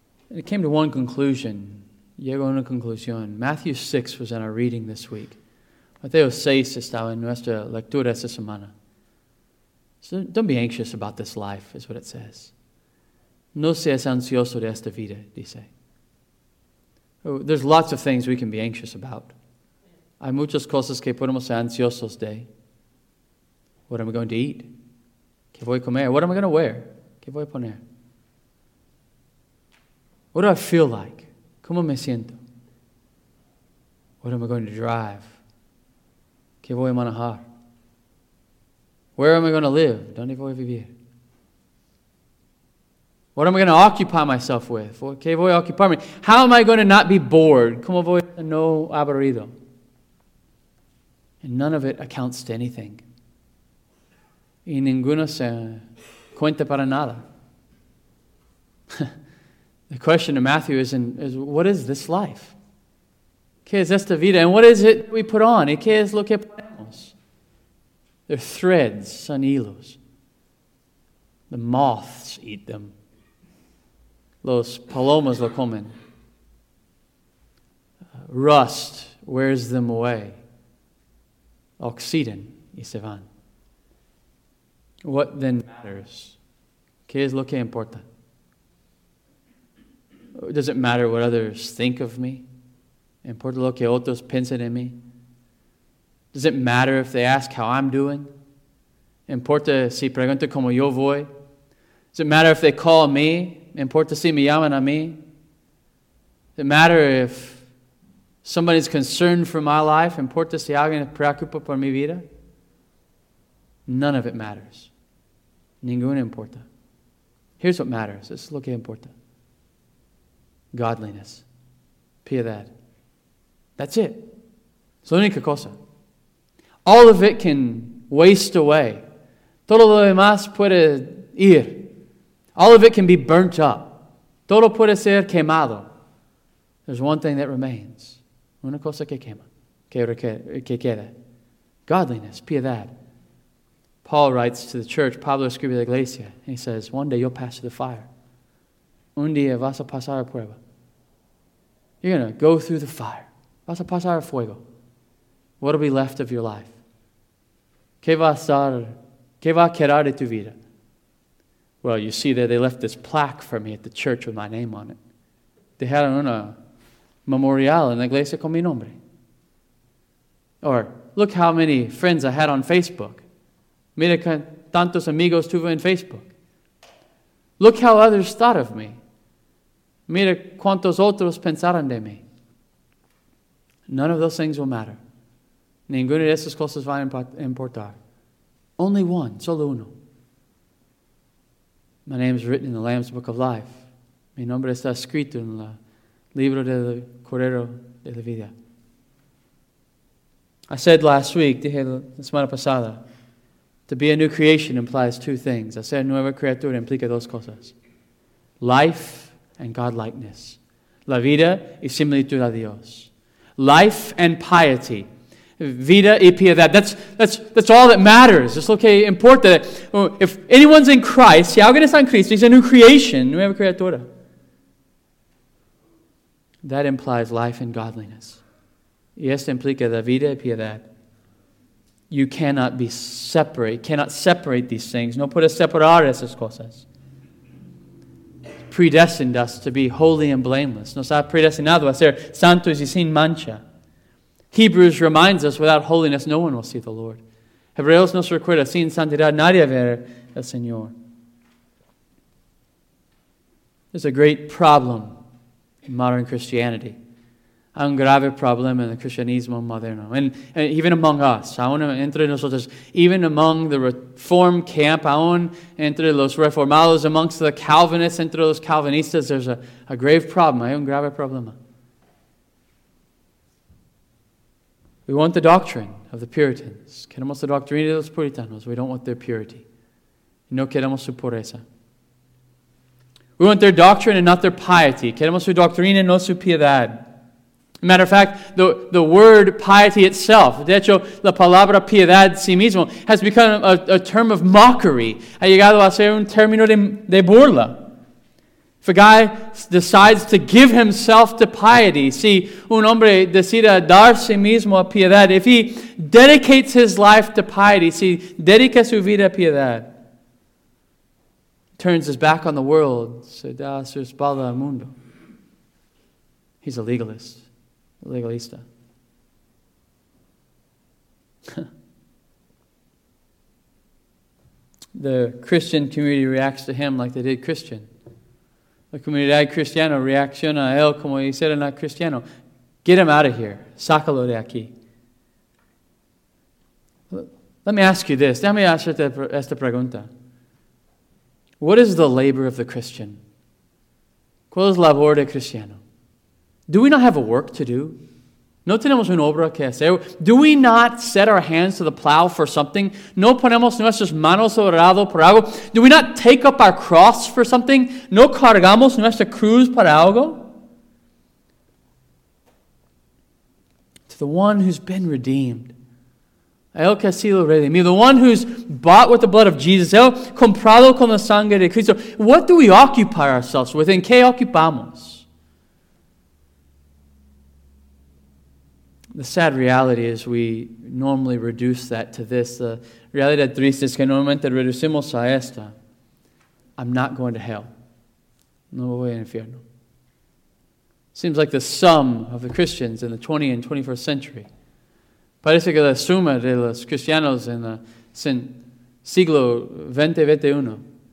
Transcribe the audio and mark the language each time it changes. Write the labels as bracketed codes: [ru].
[en] And it came to one conclusion. [es] Llego a una conclusión. [en] Matthew 6 was in our reading this week. [es] Mateo 6 estaba en nuestra lectura esta semana. [en] So don't be anxious about this life, is what it says. [es] No seas ansioso de esta vida, dice. [en] Oh, there's lots of things we can be anxious about. [es] Hay muchas cosas que podemos ser ansiosos de. [en] What am I going to eat? [es] ¿Qué voy a comer? [en] What am I going to wear? [es] ¿Qué voy a poner? [en] What do I feel like? [es] ¿Cómo me siento? [en] What am I going to drive? [es] ¿Qué voy a manejar? [en] Where am I going to live? [es] ¿Dónde voy a vivir? [en] What am I going to occupy myself with? [es] ¿Qué voy a ocuparme? [en] How am I going to not be bored? [es] ¿Cómo voy a no aburrido? [en] And none of it accounts to anything. [es] Y ninguno se cuenta para nada. [en] The question of Matthew is, what is this life? [es] ¿Qué es esta vida? [en] And what is it we put on? [es] ¿Y qué es lo que ponemos? [en] They're threads, [es] son hilos. [en] The moths eat them. [es] Los palomas lo comen. [en] Rust wears them away. [es] Oxiden y se van. [en] What then matters? [es] ¿Qué es lo que importa? [en] Does it matter what others think of me? [es] ¿Importa lo que otros piensan en mí? [en] Does it matter if they ask how I'm doing? [es] ¿Importa si pregunto cómo yo voy? [en] Does it matter if they call me? [es] ¿Importa si me llaman a mí? [en] Does it matter if somebody's concerned for my life? [es] ¿Importa si alguien preocupa por mi vida? [en] None of it matters. [es] Ninguno importa. [en] Here's what matters. This is [es] lo que importa. [en] Godliness. Piedad. That's it. [es] Es la única cosa. [en] All of it can waste away. [es] Todo lo demás puede ir. [en] All of it can be burnt up. [es] Todo puede ser quemado. [en] There's one thing that remains. [es] Una cosa que quema, que queda. [en] Godliness, piedad. Paul writes to the church, [es] Pablo escribe a la iglesia. [en] He says, one day you'll pass through the fire. [es] Un día vas a pasar a prueba. [en] You're going to go through the fire. [es] Vas a pasar a fuego. [en] What will be left of your life? [es] Que va a quedar de tu vida? [en] Well, you see there, they left this plaque for me at the church with my name on it. [es] Dejaron una memorial en la iglesia con mi nombre. [en] Or, look how many friends I had on Facebook. [es] Mira tantos amigos tuve en Facebook. [en] Look how others thought of me. [es] Mira cuantos otros pensaron de mí. [en] None of those things will matter. [es] Ninguna de esas cosas va a importar. [en] Only one, [es] solo uno. [en] My name is written in the Lamb's Book of Life. [es] Mi nombre está escrito en la Libro del Cordero de la Vida. [en] I said last week, [es] dije la semana pasada, [en] to be a new creation implies two things. [es] A ser nueva criatura implica dos cosas. [en] Life and godlikeness. [es] La vida y similitud a Dios. [en] Life and piety. [la] Vita e pia, [en] that's all that matters. It's [es] lo que importa. [en] If anyone's in Christ, [es] si alguien está en Cristo, [en] he's a new creation, [es] nueva criatura. [en] That implies life and godliness. [es] Y esto implica la vida y piedad. [en] You cannot be separate, cannot separate these things. [es] No puedes separar esas cosas. [en] Predestined us to be holy and blameless. [es] Nos ha predestinado a ser santos y sin mancha. [en] Hebrews reminds us, without holiness, no one will see the Lord. [es] Hebreos nos recuerda, sin santidad nadie verá al Señor. [en] There's a great problem in modern Christianity. [es] Un grave problema en el cristianismo moderno. [en] And even among us, [es] aún entre nosotros, [en] even among the reform camp, [es] aún entre los reformados, [en] amongst the Calvinists, [es] entre los Calvinistas, [en] there's a grave problem. [es] Hay un grave problema. [en] We want the doctrine of the Puritans. [es] Queremos la doctrina de los puritanos. [en] We don't want their purity. [es] No queremos su pureza. [en] We want their doctrine and not their piety. [es] Queremos su doctrina, no su piedad. [en] Matter of fact, the word piety itself, [es] de hecho, la palabra piedad sí mismo, [en] has become a term of mockery. [es] Ha llegado a ser un término de burla. [en] If a guy decides to give himself to piety, [es] si un hombre decide dar sí mismo a piedad, [en] if he dedicates his life to piety, [es] si dedica su vida a piedad, [en] turns his back on the world, [es] se da su espalda al mundo, [en] he's a legalist. Legalista. The Christian community reacts to him like they did Christian. [es] La comunidad cristiana reacciona a él como hicieron a cristiano. [en] Get him out of here. [es] Sácalo de aquí. [en] Let me ask you this. [es] Déjame hacerte esta pregunta. [en] What is the labor of the Christian? [es] ¿Cuál es la labor de cristiano? [en] Do we not have a work to do? [es] No tenemos una obra que hacer. [en] Do we not set our hands to the plow for something? [es] No ponemos nuestras manos sobre algo por algo. [en] Do we not take up our cross for something? [es] No cargamos nuestra cruz para algo. [en] To the one who's been redeemed, [es] el que ha sido redimido, [en] the one who's bought with the blood of Jesus, [es] el comprado con la sangre de Cristo, [en] what do we occupy ourselves with? [es] ¿En qué ocupamos? [en] The sad reality is we normally reduce that to this. [es] The realidad triste es que normalmente reducimos a esta. [en] I'm not going to hell. [es] No voy al infierno. [en] Seems like the sum of the Christians in the 20th and 21st century. [es] Parece que la suma de los cristianos en el siglo 2021.